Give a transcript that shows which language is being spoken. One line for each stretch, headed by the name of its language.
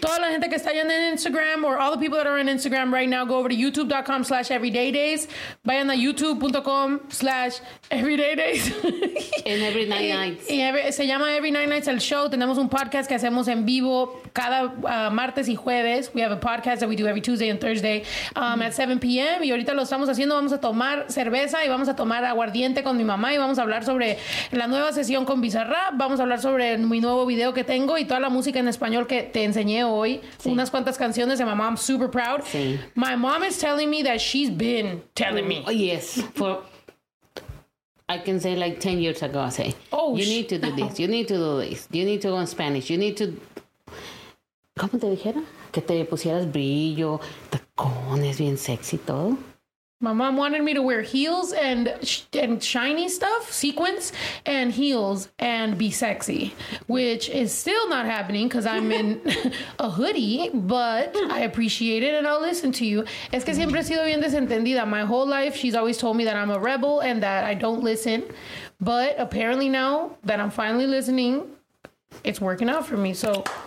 English: Toda la gente que está yendo en Instagram or all the people that are on Instagram right now, go over to youtube.com/everydaydays.
Spanish: Vayan a youtube.com/everydaydays. En Every Night Nights. Se llama Every Night Nights el show. Tenemos un podcast que hacemos en vivo cada martes y jueves.
English: We have a podcast that we do every Tuesday and Thursday at 7 p.m.
Spanish: y ahorita lo estamos haciendo. Vamos a tomar cerveza y vamos a tomar aguardiente con mi mamá y vamos a hablar sobre la nueva sesión con Bizarrap. Vamos a hablar sobre mi nuevo video que tengo y toda la música en español que te enseñé hoy. Sí. Unas cuantas canciones de mamá. I'm super proud. Sí.
English: My mom is telling me that she's been telling me. Oh, yes. For I can say like 10 years ago, I say, oh, you need to do this. You need to do this. You need to go in Spanish. You need to... ¿Cómo te dijera?
Spanish: Que te pusieras brillo, tacones, bien sexy, todo.
English: My mom wanted me to wear heels and shiny stuff, sequins, and heels, and be sexy, which is still not happening because I'm in a hoodie, but I appreciate it, and I'll listen to you. Es que siempre he sido bien desentendida. My whole life, she's always told me that I'm a rebel and that I don't listen, but apparently now that I'm finally listening, it's working out for me, so...